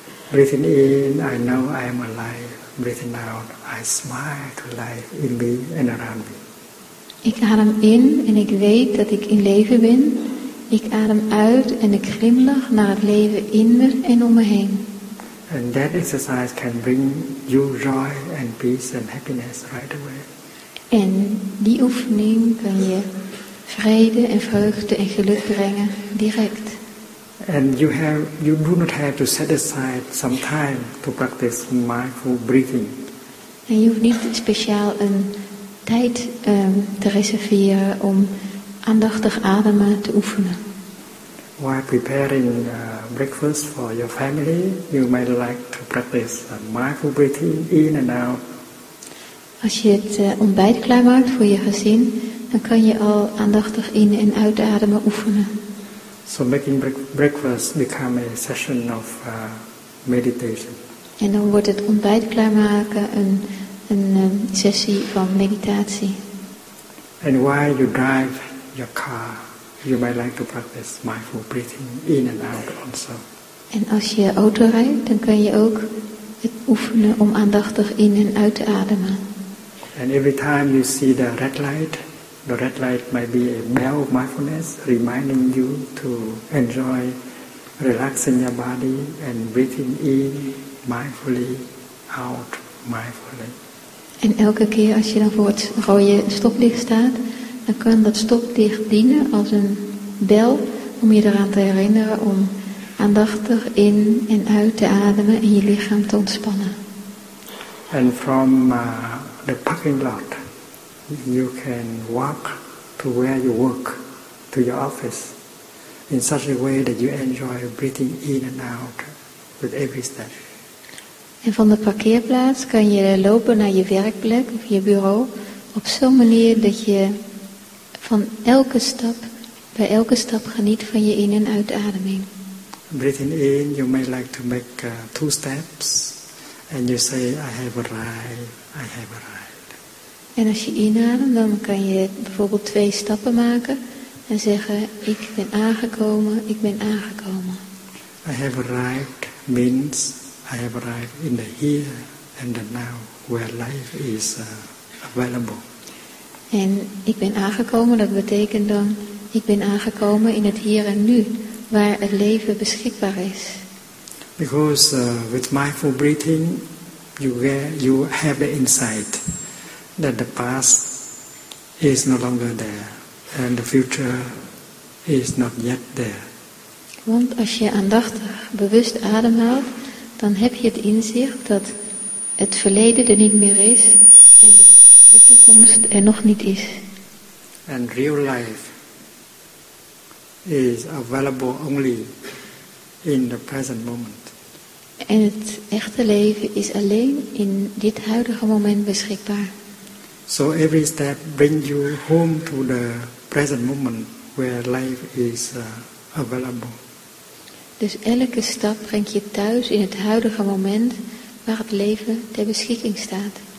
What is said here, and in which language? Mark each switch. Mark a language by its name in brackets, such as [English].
[English] Breathing in, I know I am alive. Breathing out, I smile to life in me and around me. [Dutch] Ik adem in en ik weet dat ik in leven ben. Ik adem uit en ik glimlach naar het leven in me en om me heen. [English] And that exercise can bring you joy and peace and happiness right away. [Dutch] En die oefening kan je vrede en vreugde en geluk brengen direct. [English] And you do not have to set aside some time to practice mindful breathing. [Dutch] En je hoeft niet speciaal een tijd te reserveren om aandachtig ademen te oefenen. [English] While preparing breakfast for your family, you might like to practice mindful breathing in and out. [Dutch] Als je het ontbijt klaarmaakt voor je gezin, dan kan je al aandachtig in- en uitademen oefenen. [English] So making breakfast become a session of meditation. [Dutch] En dan wordt het ontbijt klaarmaken een sessie van meditatie. [English] And while you drive your car, you might like to practice mindful breathing in and out also. [Dutch] En als je auto rijdt, dan kan je ook het oefenen om aandachtig in en uit te ademen. [English] And every time you see the red light might be a bell of mindfulness reminding you to enjoy relaxing your body and breathing in mindfully, out mindfully. [Dutch] En elke keer als je dan voor het rode stoplicht staat, dan kan dat stoplicht dienen als een bel om je eraan te herinneren om aandachtig in en uit te ademen en je lichaam te ontspannen. [English] And from the parking lot, you can walk to where you work, to your office, in such a way that you enjoy breathing in and out with every step. [Dutch] En van de parkeerplaats kan je lopen naar je werkplek of je bureau op zo'n manier dat je van elke stap, bij elke stap geniet van je in- en uitademing. [English] Breathing in, you may like to make two steps and you say, I have arrived, I have arrived. [Dutch] En als je inademt, dan kan je bijvoorbeeld twee stappen maken en zeggen, ik ben aangekomen, ik ben aangekomen. [English] I have arrived means I have arrived in the here and the now, where life is available. [Dutch] En ik ben aangekomen, dat betekent dan, ik ben aangekomen in het hier en nu, waar het leven beschikbaar is. [English] Because with mindful breathing, you have the insight that the past is no longer there, and the future is not yet there. [Dutch] Want als je aandachtig, bewust ademhaalt, dan heb je het inzicht dat het verleden er niet meer is, en de toekomst er nog niet is. [English] And real life is available only in the present moment. [Dutch] En het echte leven is alleen in dit huidige moment beschikbaar. [English] So every step brings you home to the present moment where life is available. [Dutch] Dus elke stap brengt je thuis in het huidige moment waar het leven ter beschikking staat.